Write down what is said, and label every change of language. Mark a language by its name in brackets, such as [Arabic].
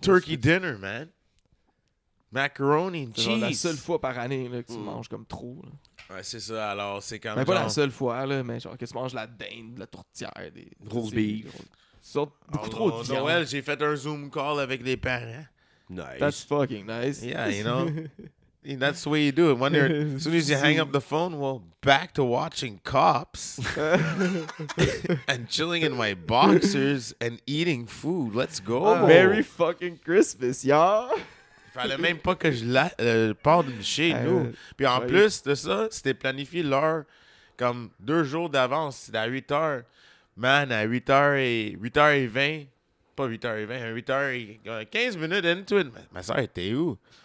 [English] turkey soupers. Dinner, man. Macaroni and cheese. [French] C'est la seule fois par année là, que tu manges comme trop, là. Ouais, c'est ça, alors c'est quand même. Mais genre... pas la seule fois, là, mais genre que tu manges la dinde, la tourtière, des. Rose beef. Sorte beaucoup trop de viande. Noël, j'ai fait un Zoom call avec des parents. Nice. [English] That's fucking nice. Yeah, you know. And that's the way you do it. When you're, as soon as you hang up the phone, well, back to watching Cops and chilling in my boxers and eating food. Let's go. Merry fucking Christmas, y'all. [French] Il fallait même pas que je parte de chez nous. Puis en plus de ça, c'était planifié l'heure comme deux jours d'avance. C'était à 8 heures. Man, à 8 heures et 20. Pas 8h20, 8h15 into it. Ma soeur était où?